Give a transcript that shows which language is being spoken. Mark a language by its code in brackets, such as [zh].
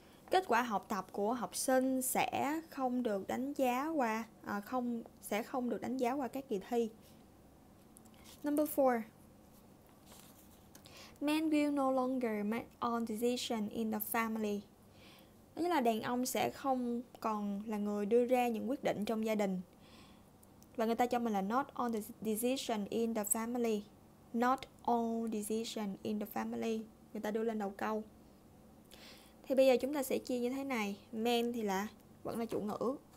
[vi] Kết quả học tập của học sinh sẽ không được đánh giá qua các kỳ thi. [en] Number 4. Men will no longer make all decisions in the family. [vi] Đó là đàn ông sẽ không còn là người đưa ra những quyết định trong gia đình. Và người ta cho mình là [en] not all the decision in the family. Not all decision in the family. [vi] Người ta đưa lên đầu câu. Thì bây giờ chúng ta sẽ chia như thế này. Men thì là vẫn là chủ ngữ.